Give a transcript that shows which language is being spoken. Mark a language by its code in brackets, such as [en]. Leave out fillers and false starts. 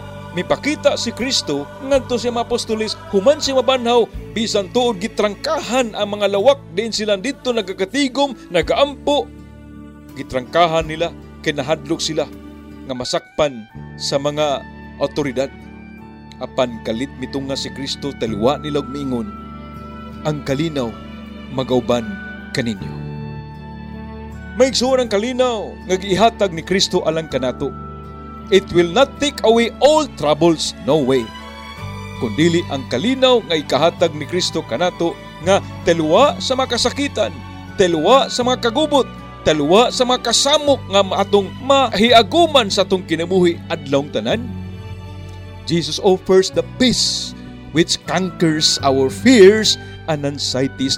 [ceb] Mipakita si Kristo ngadto sa mga apostolis human si mabanhaw bisan tuod gitrangkahan ang mga lawak din sila dito nagkakatigom nagaampo gitrangkahan nila kinahadlok sila nga masakpan sa mga awtoridad apan kalit mitong nga si Kristo taliwa nila og miingon ang kalinaw magauban kaninyo. Maigsuon ang kalinaw nga gihatag ni Kristo alang kanato. [en] It will not take away all troubles, no way. [ceb] Kundili ang kalinaw nga ikahatag ni Kristo kanato nga teluwa sa mga kasakitan, teluwa sa mga kagubot, teluwa sa mga kasamok nga atong mahiaguman sa atong kinabuhi adlong tanan. [en] Jesus offers the peace which conquers our fears and anxieties.